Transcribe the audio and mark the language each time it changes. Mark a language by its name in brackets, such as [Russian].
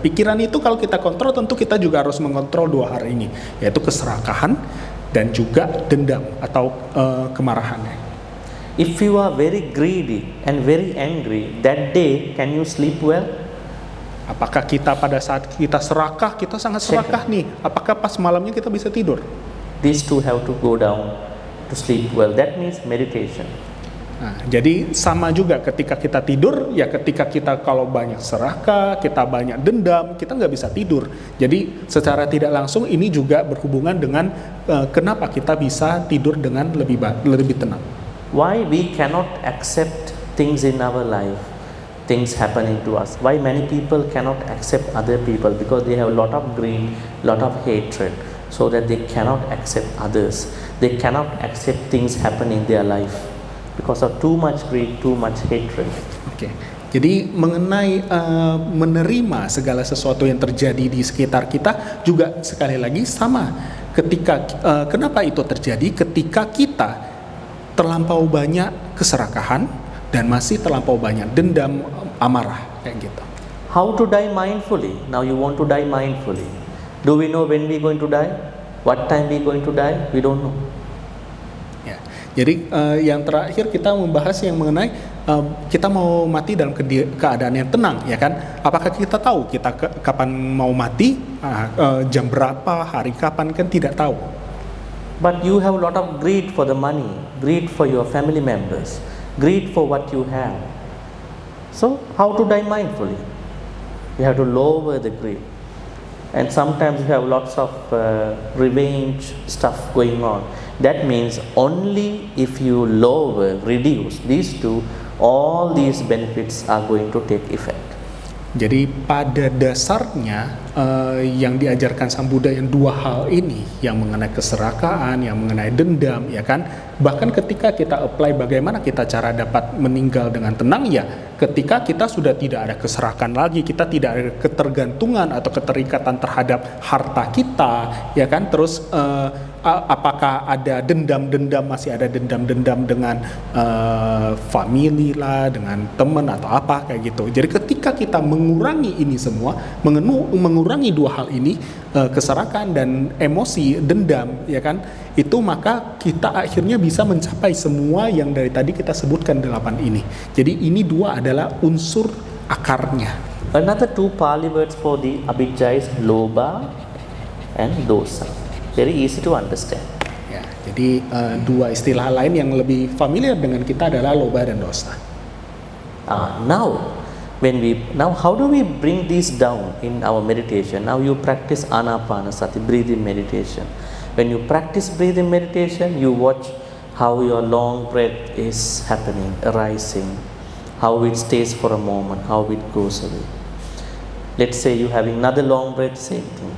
[Indonesian] Pikiran itu kalau kita kontrol, tentu kita juga harus mengontrol dua hal ini, yaitu keserakahan dan juga dendam atau kemarahannya. [English] If you are very greedy and very angry, that day can you sleep well? [Indonesian] Apakah kita pada saat kita serakah, kita sangat serakah nih, apakah pas malamnya kita bisa tidur? [English] These two have to go down to sleep well. That means meditation. [Indonesian] Nah, jadi sama juga ketika kita tidur, ya ketika kita kalau banyak serakah, kita banyak dendam, kita nggak bisa tidur. Jadi secara tidak langsung ini juga berhubungan dengan kenapa kita bisa tidur dengan lebih tenang. [English] Why we cannot accept things in our life? Things happening to us. Why many people cannot accept other people? Because they have a lot of greed, lot of hatred, so that they cannot accept others. They cannot accept things happening in their life because of too much greed, too much hatred. Okay. [Indonesian] Jadi mengenai menerima segala sesuatu yang terjadi di sekitar kita juga sekali lagi sama. Ketika kenapa itu terjadi? Ketika kita terlampau banyak keserakahan dan masih terlampau banyak dendam, amarah, kayak gitu. [English] How to die mindfully? Now you want to die mindfully. Do we know when we going to die? What time we going to die? We don't know. [Indonesian] Ya. Jadi yang terakhir kita membahas yang mengenai kita mau mati dalam keadaan yang tenang, ya kan? Apakah kita tahu kita kapan mau mati? Jam berapa, hari kapan, kan tidak tahu. [English] But you have a lot of greed for the money, greed for your family members, greed for what you have. So how to die mindfully? You have to lower the greed. And sometimes you have lots of revenge stuff going on. That means only if you lower, reduce these two, all these benefits are going to take effect. [Indonesian] Jadi pada dasarnya yang diajarkan Sang Buddha yang dua hal ini, yang mengenai keserakahan, yang mengenai dendam, ya kan? Bahkan ketika kita apply bagaimana kita cara dapat meninggal dengan tenang, ya ketika kita sudah tidak ada keserakahan lagi, kita tidak ada ketergantungan atau keterikatan terhadap harta kita, ya kan? Terus apakah ada dendam-dendam, masih ada dendam-dendam dengan family lah, dengan teman atau apa, kayak gitu. Jadi ketika kita mengurangi ini semua, mengurangi dua hal ini, keserakahan dan emosi, dendam, ya kan, itu maka kita akhirnya bisa mencapai semua yang dari tadi kita sebutkan delapan ini. Jadi ini dua adalah unsur akarnya. [English] Another two Pali words for the abhijja is loba and dosa. Very easy to understand. [Indonesian] Ya, jadi dua istilah lain yang lebih familiar dengan kita adalah loba dan dosa. [English] Now how do we bring this down in our meditation? Now you practice anapanasati, breathing meditation. When you practice breathing meditation, you watch how your long breath is happening, arising, how it stays for a moment, how it goes away. Let's say you have another long breath, same thing.